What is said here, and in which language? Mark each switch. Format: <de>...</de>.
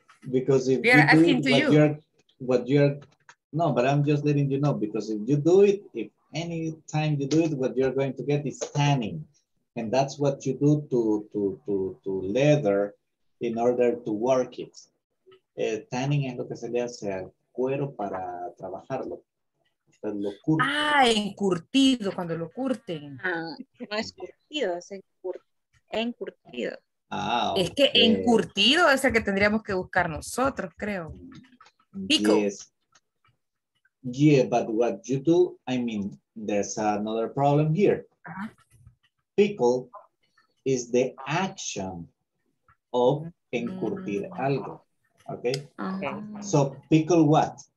<en>Because if you're asking to you, but I'm just letting you know, because if you do it, if any time you do it, what you're going to get is tanning. And that's what you do to leather in order to work it.</en> <es>Tanning es lo que se le hace al cuero para trabajarlo. Lo curten. Ah, encurtido, cuando lo curten. Ah, no es curtido, es encurtido. Ah, okay. Es que encurtido es el que tendríamos que buscar nosotros, creo.</es> <en>Pico. Yes. Yeah, but what you do, I mean, there's another problem here. Uh-huh. Pickle is the action of</en> <es>encurtir algo,</es> <en>okay? Uh-huh. So pickle what?</en>